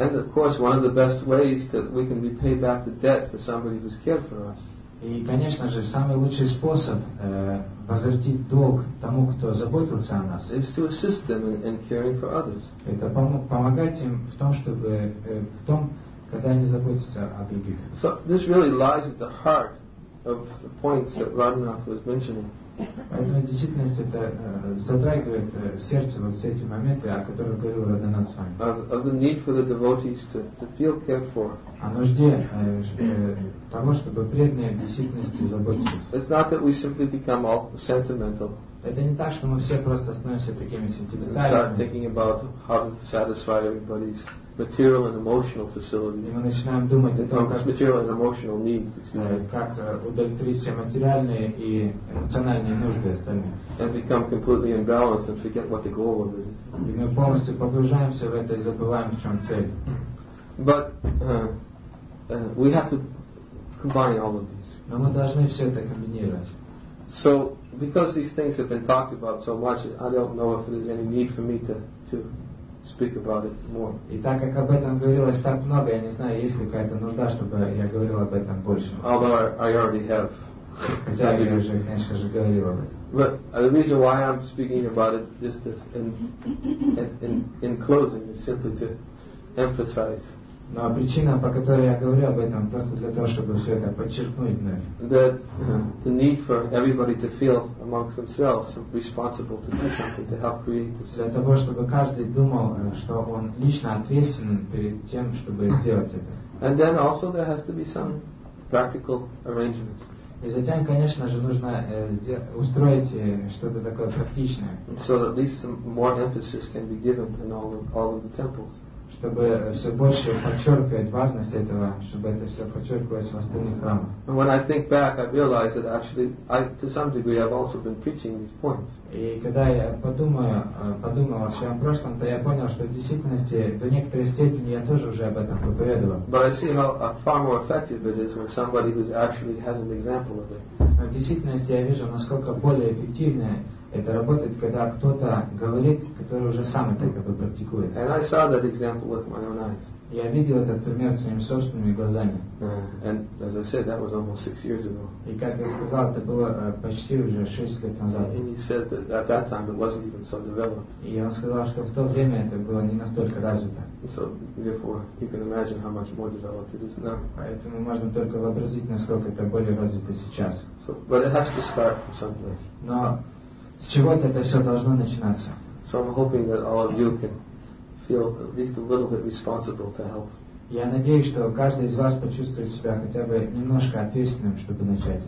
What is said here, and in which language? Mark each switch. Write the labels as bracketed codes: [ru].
[en] And of course, one of the best ways that we can repay back the debt for somebody who's cared for us. [ru] И, конечно же, самый лучший способ возвратить долг тому, кто заботился о нас, [en] is to assist them in caring for others. [ru] Это помогать им в том, чтобы в том, когда они заботятся о других. [en] So this really lies at the heart of the points that Radhanath was mentioning. [ru] Поэтому, в действительности, это затрагивает сердце вот все эти моменты, о которых говорил Радханат с вами. [en] Of the need for the devotees to feel cared for. [ru] О нужде того, чтобы преданные в действительности заботились. [en] It's not that we simply become all sentimental. [ru] Это не так, что мы все просто становимся такими сентиментальными. [en] And start thinking about how to satisfy everybody's material and emotional facilities. [ru] И мы начинаем думать о том, как [en] material and emotional needs, [ru] как удовлетворить все материальные и эмоциональные нужды остальных. [en] And become completely imbalanced and forget what the goal of it is. [ru] И мы полностью погружаемся в это и забываем, в чем цель. [en] But we have to combine all of these. [ru] Но мы должны все это комбинировать. [en] So because these things have been talked about so much, I don't know if there's any need for me to speak about it more. [ru] И так как об этом говорилось так много, я не знаю, есть ли какая-то нужда, чтобы я говорил об этом больше. [en] Although I already have. [ru] Хотя я уже, конечно же, говорил об этом. [en] But the reason why I'm speaking about it just in closing is simply to emphasize. [ru] Но причина, по которой я говорю об этом, просто для того, чтобы все это подчеркнуть вновь. [en] That the need for everybody to feel amongst themselves responsible to do something to help create this. [ru] Для того, чтобы каждый думал, что он лично ответственен перед тем, чтобы сделать это. [en] And then also there has to be some practical arrangements. [ru] И затем, конечно же, нужно устроить что-то такое практичное. [en] So at least some more emphasis can be given in all of the temples. [ru] Чтобы все больше подчеркивать важность этого, чтобы это все подчеркивалось в остальных храмах. [en] And when I think back, I realize that actually, I, to some degree, I've also been preaching these points. [ru] И когда я подумал о своем прошлом, то я понял, что в действительности, до некоторой степени, я тоже уже об этом проповедовал. [en] But I see how far more effective it is when somebody who actually has an example of it. [ru] Но в действительности, я вижу, насколько более эффективное Это работает, когда кто-то говорит, который уже сам это как бы практикует. [en] And I saw that example with my own eyes. [ru] Я видел этот пример своими собственными глазами. [en] And as I said, that was almost 6 years ago. [ru] И как я сказал, это было почти уже 6 лет назад. [en] And he said that at that time it wasn't even so developed. [ru] И он сказал, что в то время это было не настолько развито. [en] So therefore, you can imagine how much more developed it is now. [ru] Поэтому можно только вообразить, насколько это более развито сейчас. [en] So, but it has to start from someplace. [ru] Но с чего-то это все должно начинаться. [en] So I'm hoping that all of you can feel at least a little bit responsible to help. [ru] Я надеюсь, что каждый из вас почувствует себя хотя бы немножко ответственным, чтобы начать.